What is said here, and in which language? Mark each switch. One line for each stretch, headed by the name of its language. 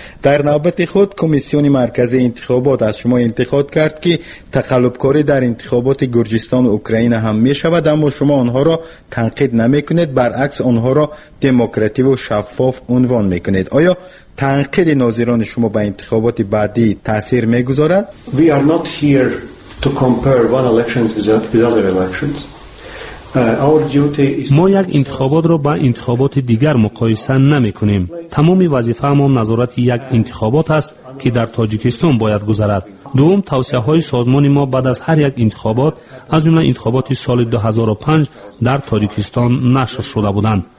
Persian: در نوبت خود کمیسیون مرکزی انتخابات از شما انتقاد کرد که تقلب‌کاری در انتخابات گرجستان و اوکراین هم می شود، اما شما آنها را تنقید نمی کنید، برعکس آنها را دموکراتی و شفاف عنوان می کنید. آیا تنقید ناظران شما به انتخابات بعدی تاثیر می گذارد؟
English: We are not here to compare one elections with other elections.
Persian: ما یک انتخابات را با انتخابات دیگر مقایسه نمی کنیم. تمام وظیفه ما نظارت یک انتخابات است که در تاجیکستان باید گذرد. دوم، توصیه های سازمان ما بعد از هر یک انتخابات، از جمله انتخابات سال 2005 در تاجیکستان نشر شده بودند.